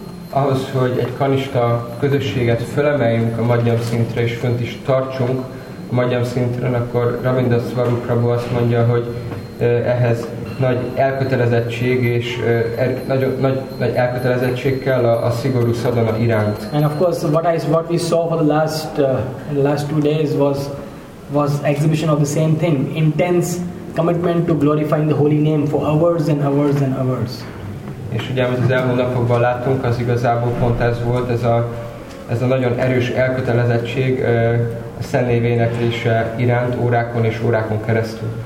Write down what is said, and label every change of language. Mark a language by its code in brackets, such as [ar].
[hu] Ahhoz, hogy egy kanishta közösséget fölemeljünk a madhyam szintre és fönt is tartsunk a madhyam szinten, akkor Ravindra Sarupuru azt mondja, hogy ehhez nagy elkötelezettség és nagy elkötelezettség kell a szigorú szadana iránt. [en] And of course what we saw for the last 2 days was exhibition of the same thing, intense commitment to glorifying the holy name for hours and hours and hours. [hu] És ugye amit az elmúlt napokban láttunk, az igazából pont ez volt, ez a nagyon erős elkötelezettség a szentnévének is iránt órákon és órákon keresztül.